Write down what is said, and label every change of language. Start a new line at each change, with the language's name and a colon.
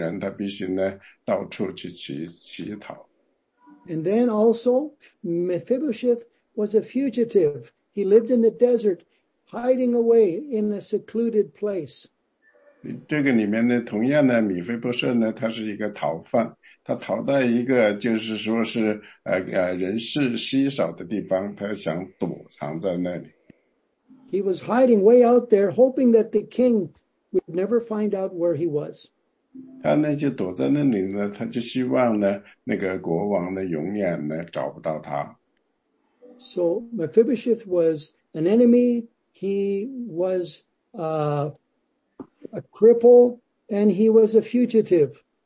Chinese: 所以呢，他那个就说呢，他是一个贫穷的、无助的一个人，他必须呢到处去乞讨。
English: And then also, Mephibosheth was a fugitive. He lived in the desert, hiding away in a secluded place.
Chinese: 这个里面呢，同样呢，米菲波设呢，他是一个逃犯，他逃到一个就是说是人世稀少的地方，他想躲藏在那里。
English: He was hiding way out there, hoping that the king would never find out where he was.
Chinese: 他呢就躲在那里呢，他就希望呢那个国王呢永远呢找不到他。
English: So Mephibosheth was an enemy. He was a cripple, and he was a fugitive.